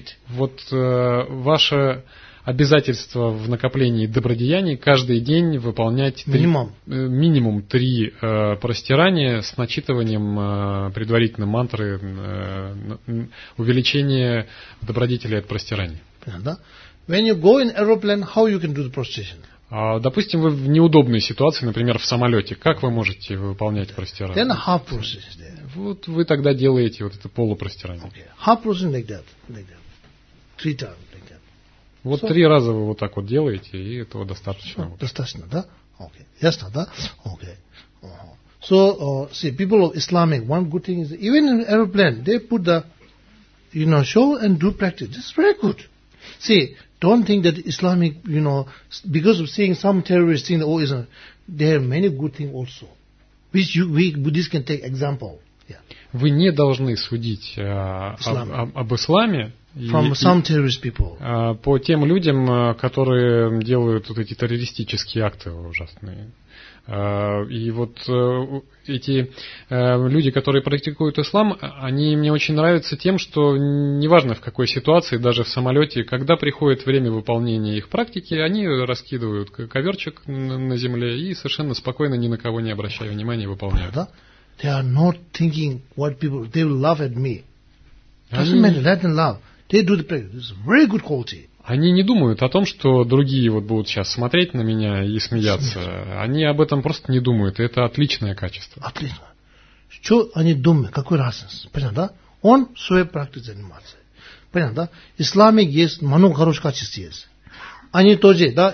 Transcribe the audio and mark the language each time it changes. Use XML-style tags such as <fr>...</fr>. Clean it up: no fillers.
<ru>Вот ваше обязательство в накоплении добродеяний каждый день выполнять минимум три простирания с начитыванием предварительной мантры увеличение добродетелей от простирания.</ru> <en>When you go in aeroplane, how you can do the prostration?</en> <ru>Допустим, вы в неудобной ситуации, например, в самолете, как вы можете выполнять простирание?</ru> <en>Then half process there.</en> <ru>Вот вы тогда делаете вот это полупростирание.</ru> <en>Okay. Half process like that. Three times like that.</en> <ru>Вот so, три раза вы вот так вот делаете, и этого достаточно. Ну, достаточно, да? Okay. Ясно, да? Okay.</ru> <en>So, see, people of Islamic, one good thing is even in aeroplane, they put the, you know, show and do practice. This is very good. See, don't think that Islamic, you know, because of seeing some terrorist thing, oh, isn't there are many good things also, which we Buddhists can take example. Yeah.</en> <ru>Вы не должны судить об исламе по тем людям, которые делают вот эти террористические акты ужасные. И вот эти люди, которые практикуют ислам, они мне очень нравятся тем, что неважно в какой ситуации, даже в самолете, когда приходит время выполнения их практики, они раскидывают коверчик на земле и совершенно спокойно, ни на кого не обращая внимания, выполняют.</ru> <en>They are not thinking what people they will laugh at me. Doesn't matter, let them laugh. They do the practice. This is very good quality.</en> <ru>Они не думают о том, что другие вот будут сейчас смотреть на меня и смеяться. Они об этом просто не думают. Это отличное качество. Отлично. Что они думают? Какой разница? Понятно, да? Он своей практикой занимается. Понятно, да? Исламик есть, много хороших качеств есть. Они тоже, да?</ru>